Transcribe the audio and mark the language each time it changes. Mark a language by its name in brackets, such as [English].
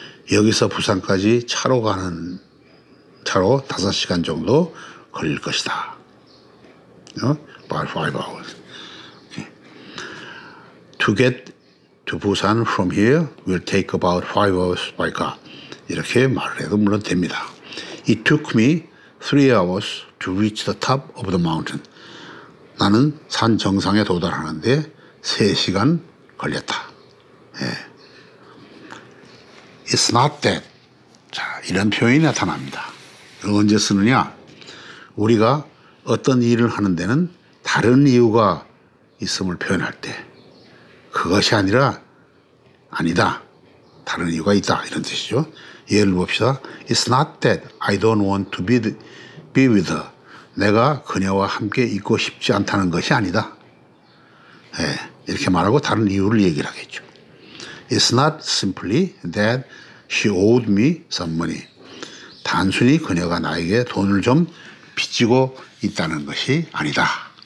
[Korean] 여기서 부산까지 차로 가는 차로 5시간 정도 걸릴 것이다. [English] 어? By 5 hours. To get to Busan from here will take about 5 hours by car. [Korean] 이렇게 말을 해도 물론 됩니다. [English] It took me 3 hours to reach the top of the mountain. [Korean] 나는 산 정상에 도달하는데 3시간 걸렸다. 예. [English] It's not that. [Korean] 자, 이런 표현이 나타납니다. 언제 쓰느냐? 우리가 어떤 일을 하는 데는 다른 이유가 있음을 표현할 때. 그것이 아니라 아니다. 다른 이유가 있다. 이런 뜻이죠. 예를 봅시다. [English] It's not that I don't want to be with her. [Korean] 내가 그녀와 함께 있고 싶지 않다는 것이 아니다. 예, 이렇게 말하고 다른 이유를 얘기를 하겠죠. [English] It's not simply that she owed me some money. [Korean] 단순히 그녀가 나에게 돈을 좀 빚지고 있다는 것이 아니다.